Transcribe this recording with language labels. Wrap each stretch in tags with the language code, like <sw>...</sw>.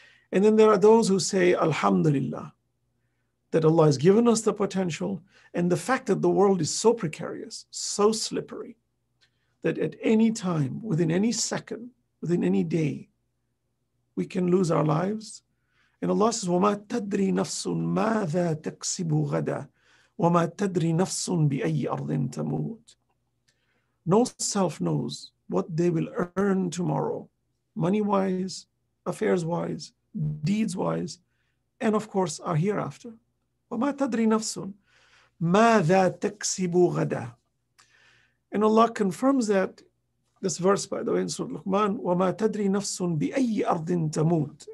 <en>And then there are those who say, Alhamdulillah, that Allah has given us the potential, and the fact that the world is so precarious, so slippery, that at any time, within any second, within any day, we can lose our lives. And Allah says,</en> <ar>وَمَا تَدْرِي نَفْسٌ مَاذَا تَكْسِبُ غَدًا وَمَا تَدْرِي نَفْسٌ بِأَيِّ أَرْضٍ تَمُوتٌ.</ar> <en>No self knows what they will earn tomorrow, money-wise, affairs-wise, deeds-wise, and of course, our hereafter.</en> <ar>وَمَا تَدْرِي نَفْسٌ مَاذَا تَكْسِبُ غَدًا.</ar> <en>And Allah confirms that, this verse, by the way, in Surah Luqman,</en> <ar>وَمَا تَدْرِي نَفْسٌ بِأَيِّ أَرْضٍ تَمُوتٌ.</ar>